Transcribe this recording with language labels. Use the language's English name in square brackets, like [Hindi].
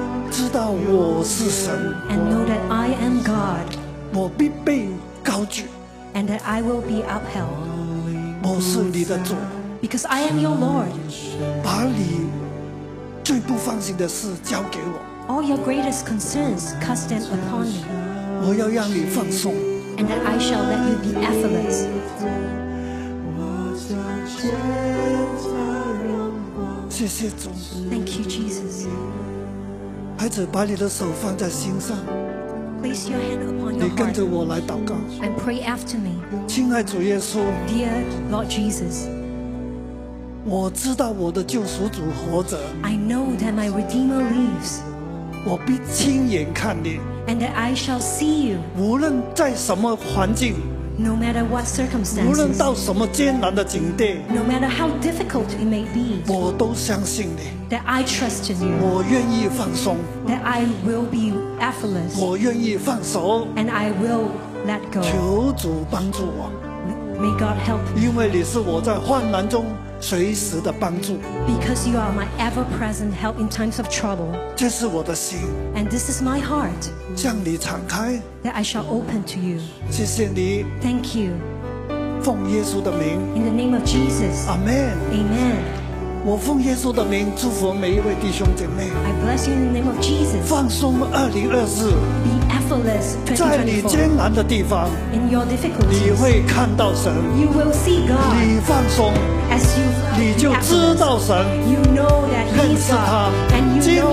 [Chinese] 知道我是神 [English] And know that I am God， [Chinese] 我必被高举 [English] And that I will be upheld. [Chinese] 我是你的主 [English] Because I am your Lord. [Chinese] 把你最不放心的事交给我 [English] All your greatest concerns cast them upon me. [Chinese] 我要让你放松 [English] And that I shall let you be effortless. [Chinese] 谢谢主 [English] Thank you, Jesus. [Chinese] 孩子，把你的手放在心上 [English] Place your hand upon your heart. [Chinese] 你跟着我来祷告。 [English] And pray after me. [Chinese] 亲爱主耶稣。 [English] Dear Lord Jesus. [Chinese] 我知道我的救赎主活着。 [English] I know that my Redeemer lives. [Chinese] 我必亲眼看你。 [English] And that I shall see you. [Chinese] 无论在什么环境。 [English] No matter what circumstances. [Chinese] 无论到什么艰难的境地。 [English] No matter how difficult it may be. [Chinese] 我都相信你。 [English] That I trust in you. [Chinese] 我愿意放松。 [English] That I will be effortless. [Chinese] 我愿意放手。 [English] And I will let go. [Chinese] 求主帮助我。 [English] May God help me. [Chinese] 因为你是我在患难中随时的帮助。 [English] Because you are my ever-present help in times of trouble. [Chinese] 这是我的心。 [English] And this is my heart. [Chinese] 向你敞开。 [English] That I shall open to you. [Chinese] 谢谢你。 [English] Thank you. [Chinese] 奉耶稣的名。 [English] In the name of Jesus. Amen. Amen. [Chinese] 我奉耶稣的名祝福每一位弟兄姐妹 [English] I bless you in the name of Jesus [Chinese] 放松2024 [English] Be effortless 2024 [Chinese] 在你艰难的地方 [English] In your difficulties [Chinese] 你会看到神 [English] You will see God [Chinese] 你放松 [English] As you [Chinese] 你就知道神 [English] You know that he is God [Chinese] 认识他 [English] And you know